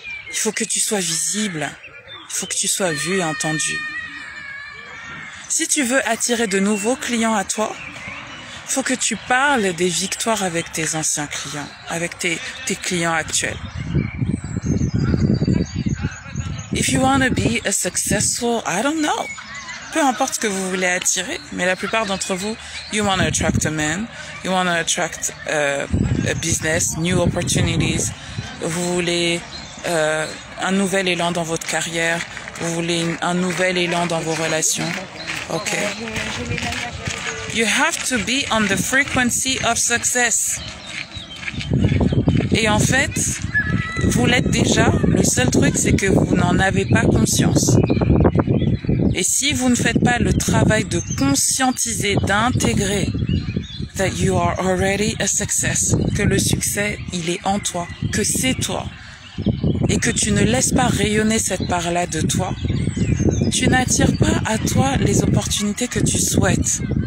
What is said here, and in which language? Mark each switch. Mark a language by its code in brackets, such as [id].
[fr] Il faut que tu sois visible. Il faut que tu sois vu et entendu. Si tu veux attirer de nouveaux clients à toi, faut que tu parles des victoires avec tes anciens clients, avec tes clients actuels. [en] If you want to be a successful, I don't know. [fr] Peu importe ce que vous voulez attirer, mais la plupart d'entre vous, [en] you want to attract a man, you want to attract a business, new opportunities, [fr] vous voulez un nouvel élan dans votre carrière, vous voulez un nouvel élan dans vos relations. Ok. [en] You have to be on the frequency of success. [fr] Et en fait, vous l'êtes déjà. Le seul truc, c'est que vous n'en avez pas conscience. Et si vous ne faites pas le travail de conscientiser, d'intégrer [en] that you are already a success, [fr] que le succès, il est en toi, que c'est toi, et que tu ne laisses pas rayonner cette part-là de toi, tu n'attires pas à toi les opportunités que tu souhaites.